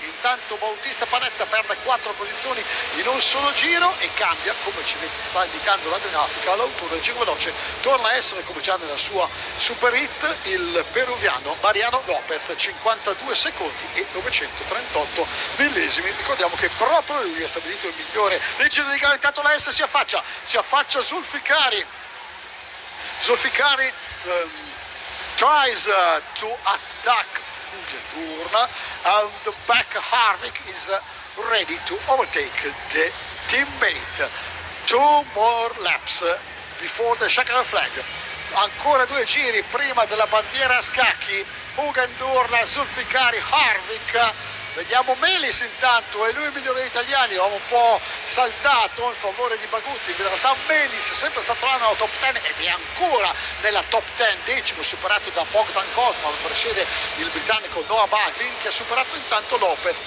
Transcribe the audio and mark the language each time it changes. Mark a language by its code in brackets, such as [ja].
[it] Intanto Bautista Panetta perde 4 posizioni in un solo giro e cambia, come ci sta indicando la grafica, l'autore del giro veloce torna a essere, come già nella sua super hit, il peruviano Mariano Lopez, 52 secondi e 938 millesimi. Ricordiamo che proprio lui ha stabilito il migliore del giro di gara. [en] Intanto la S si affaccia Zulfikari tries to attack Hugendurm, and the back Harvick is ready to overtake the teammate. Two more laps before the checkered flag. [it] Ancora due giri prima della bandiera a scacchi. Hugendurm, Zulfikari, Harvick. Vediamo Melis, intanto è lui il migliore degli italiani, l'ho un po' saltato in favore di Bagutti. In realtà Melis è sempre stato là nella top 10 ed è ancora nella top 10, decimo, superato da Bogdan Kosma, lo precede il britannico Noah Baglin, che ha superato intanto Lopez.